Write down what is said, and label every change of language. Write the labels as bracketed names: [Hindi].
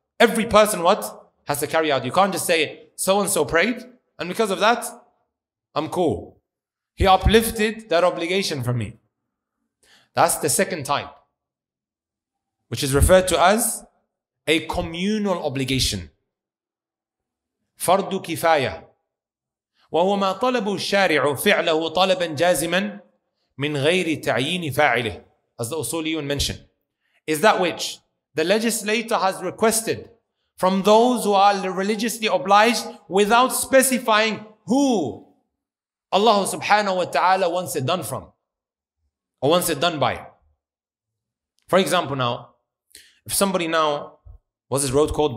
[English] Every person what? Has to carry out. You can't just say, so-and-so prayed, and because of that, I'm cool. He uplifted that obligation from me. That's the second type, which is referred to as a communal obligation. [Arabic] فَرْدُ كِفَايَةً وَهُوَ مَا طَلَبُ الشَّارِعُ فِعْلَهُ طَلَبًا جَازِمًا مِنْ غَيْرِ تَعْيِينِ فَاعِلِهِ. [English] As the Usuliyun mentioned, is that which the legislator has requested from those who are religiously obliged without specifying who Allah subhanahu wa ta'ala wants it done from or wants it done by. For example, now, if somebody now, what's this road called?